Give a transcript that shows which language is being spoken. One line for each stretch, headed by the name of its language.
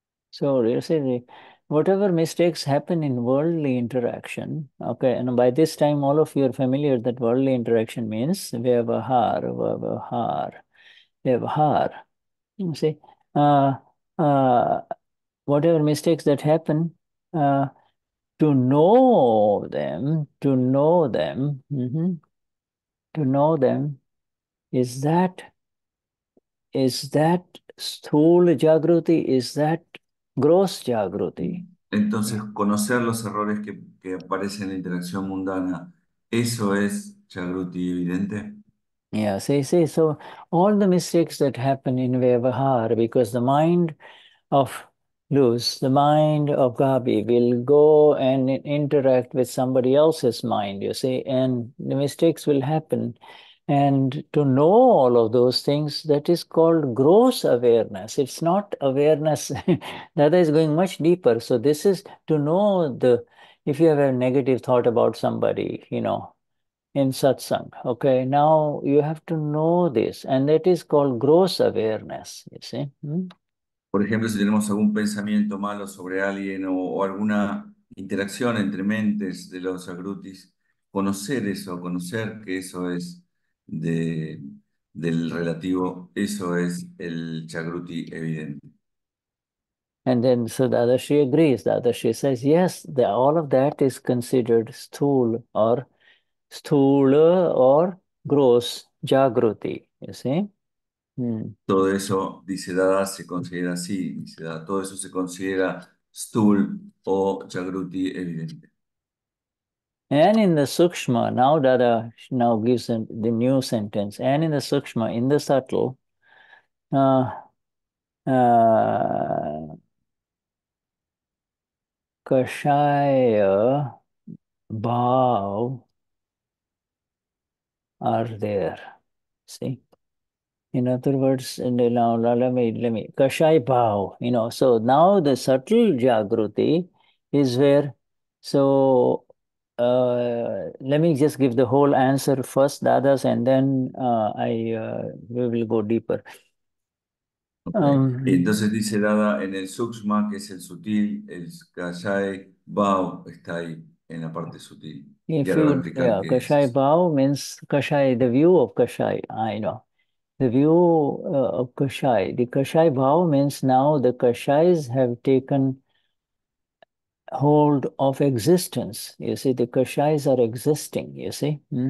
English: So, you see, whatever mistakes happen in worldly interaction, okay, and by this time all of you are familiar that worldly interaction means vyavahar, vyavahar, vyavahar. You see, whatever mistakes that happen, to know them, is that sthula jagruti, is that gross jagruti?
Spanish: Entonces, conocer los errores que aparecen en la interacción mundana, ¿eso es jagruti evidente?
English: Yeah, see, so all the mistakes that happen in vyavahar, because the mind of Luz, the mind of Gabi, will go and interact with somebody else's mind, you see, and the mistakes will happen. And to know all of those things, that is called gross awareness. It's not awareness. That is going much deeper. So this is to know the, if you have a negative thought about somebody, you know, in satsang, okay, now you have to know this, and that is called gross awareness, you see.
Spanish: Por ejemplo, si tenemos algún pensamiento malo sobre alguien o alguna interacción entre mentes de los agrutis, conocer eso, conocer que eso es de, del relativo, eso es el Jagruti evidente.
English: And then so Dadashri agrees. Dadashri says, yes, the, all of that is considered sthula or gross Jagruti, you see?
Spanish: Todo eso, dice Dada, se considera así, dice Dada, todo eso se considera stul o Jagruti evidente.
English: And in the Sukshma, now Dada now gives the new sentence, and in the Sukshma, in the subtle, Kashaya Bhav are there, see? In other words, now let me, Kashaya Bhav, you know, so now the subtle Jagruti is where, so let me just give the whole answer first, Dadas, and then we will go deeper. Okay.
Spanish: Entonces dice Dada, en el Sukshma, que es el sutil, el Kashaya Bhav está ahí, en la parte sutil.
English: If you, yeah, Kashaya Bhav means Kashaya, the view of Kashaya, I know. The view of Kashaya. The Kashaya Bhav means now the Kashayas have taken hold of existence. You see, the Kashayas are existing, you see.